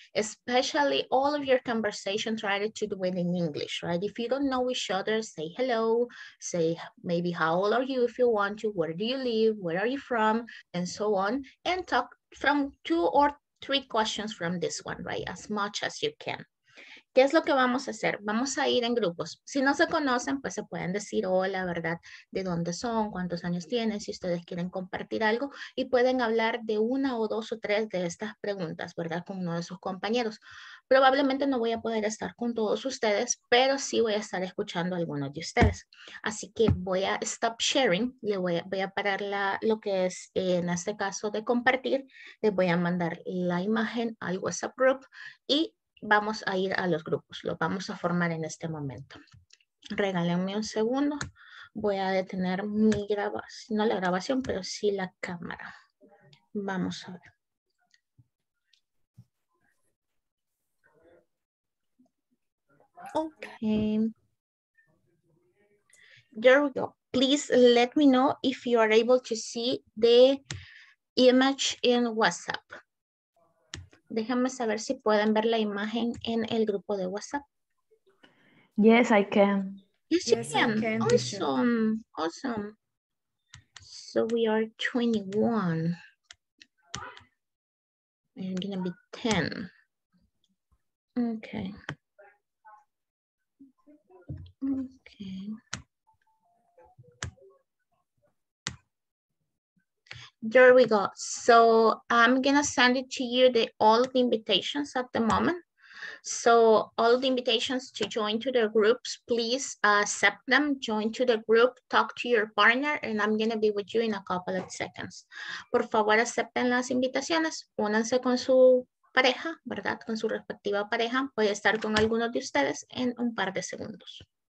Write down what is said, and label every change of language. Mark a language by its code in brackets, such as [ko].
[en] Especially all of your conversation, try to do it in English, right? If you don't know each other, say hello. Say maybe how old are you if you want to, where do you live, where are you from, and so on. And talk from two or three questions from this one, right? As much as you can. [es] ¿Qué es lo que vamos a hacer? Vamos a ir en grupos. Si no se conocen, pues se pueden decir hola, ¿verdad? ¿De dónde son? ¿Cuántos años tienen? Si ustedes quieren compartir algo. Y pueden hablar de una o dos o tres de estas preguntas, ¿verdad? Con uno de sus compañeros. Probablemente no voy a poder estar con todos ustedes, pero sí voy a estar escuchando a algunos de ustedes. Así que voy a [en] stop sharing. [es] Le voy a parar lo que es en este caso de compartir. Les voy a mandar la imagen al WhatsApp group y vamos a ir a los grupos, los vamos a formar en este momento. Regálenme un segundo, voy a detener mi grabación, no la grabación, pero sí la cámara. Vamos a ver. [en] Ok. There we go. Please let me know if you are able to see the image in WhatsApp. [es] Déjame saber si pueden ver la imagen en el grupo de WhatsApp. [en] Yes, I can. Yes, you can. Awesome. Awesome. So we are 21. We're gonna be 10. Okay. Okay. There we go. So I'm gonna send it to you the all the invitations at the moment. So all the invitations to join to the groups, please accept them, join to the group, talk to your partner, and I'm gonna be with you in a couple of seconds. [es] Por favor, acepten las invitaciones, únanse con su pareja, ¿verdad? Con su respectiva pareja. Voy a estar con algunos de ustedes en un par de segundos.